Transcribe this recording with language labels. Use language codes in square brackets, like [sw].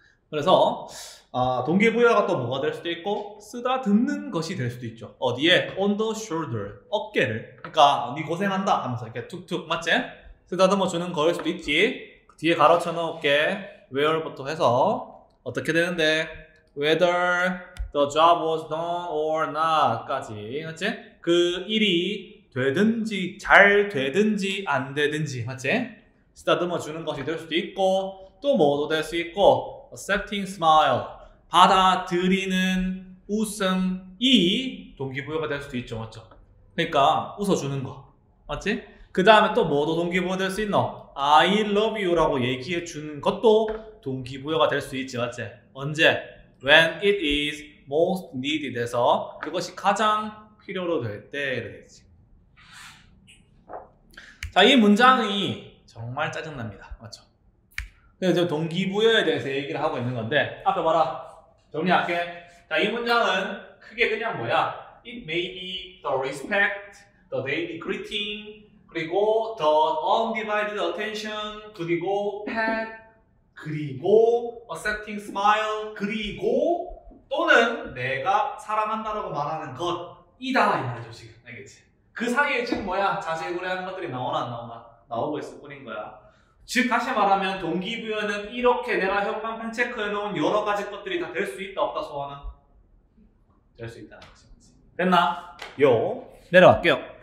[ko] 그래서 동기부여가 또 뭐가 될 수도 있고 쓰다듬는 것이 될 수도 있죠. [en] 어디에? On the shoulder. [ko] 어깨를. 그러니까 네 고생한다 하면서 이렇게 툭툭 맞지? 쓰다듬어주는 거일 수도 있지. 뒤에 가로쳐 놓을게. [en] where부터 [ko] 해서 어떻게 되는데 [en] whether the job was done or not [ko] 까지, 맞지? 그 일이 되든지 잘 되든지 안 되든지, 맞지? 쓰다듬어 주는 것이 될 수도 있고 또 뭐도 될 수 있고 [en] accepting smile, [ko] 받아들이는 웃음이 동기부여가 될 수도 있죠, 맞죠? 그러니까 웃어주는 거, 맞지? 그 다음에 또 뭐도 동기부여가 될 수 있노? [en] I love you [ko] 라고 얘기해 주는 것도 동기부여가 될 수 있지, 맞지? 언제? [en] When it is most needed [ko] 해서 그것이 가장 필요로 될 때를 했지. 자, 이 문장이 정말 짜증납니다. 맞죠? 그래서 동기부여에 대해서 얘기를 하고 있는 건데 앞에 봐라. 정리할게. 자, 이 문장은 크게 그냥 뭐야? [en] It may be the respect, the daily greeting, 그리고 the undivided attention, 그리고 pet, 그리고 accepting smile, 그리고 [ko] 또는 내가 사랑한다라고 말하는 것이다 이 말이죠 지금. 알겠지? 그 사이에 지금 뭐야? 자세히 고려하는 것들이 나오나 안 나오나? 나오고 있을 뿐인 거야. 즉 다시 말하면 동기부여는 이렇게 내가 현관판 체크해놓은 여러 가지 것들이 다 될 수 있다 없다 소화는? 될 수 있다. 됐나? 요 내려갈게요.